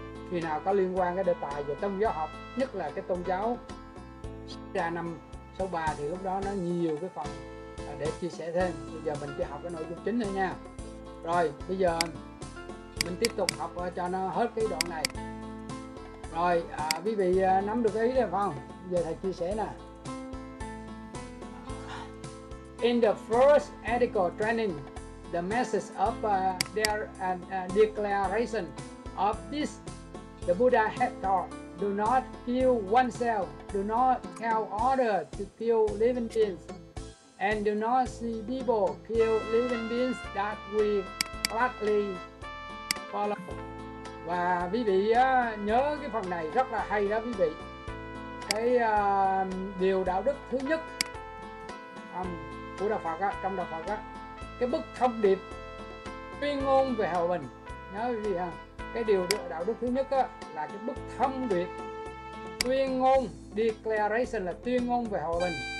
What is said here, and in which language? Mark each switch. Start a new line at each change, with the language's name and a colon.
Vietnamese: Khi nào có liên quan cái đề tài về tôn giáo học, nhất là cái tôn giáo ra năm 63, thì lúc đó nó nhiều cái phần để chia sẻ thêm. Bây giờ mình chỉ học cái nội dung chính thôi nha. Rồi bây giờ mình tiếp tục học cho nó hết cái đoạn này. Rồi quý vị nắm được ý rồi không? Bây giờ thầy chia sẻ nè.
English: In the first ethical training, the message of their declaration of this, the Buddha had taught, do not kill oneself, do not tell others to kill living beings, and do not see people kill living beings that we gladly follow.
Vietnamese: Và quý vị nhớ cái phần này rất là hay đó quý vị. Cái điều đạo đức thứ nhất của Đạo Phật trong Đạo Phật cái bức thông điệp tuyên ngôn về hòa bình, nhớ quý vị ha. Cái điều đạo đức thứ nhất là cái bức thông điệp tuyên ngôn, declaration là tuyên ngôn về hòa bình.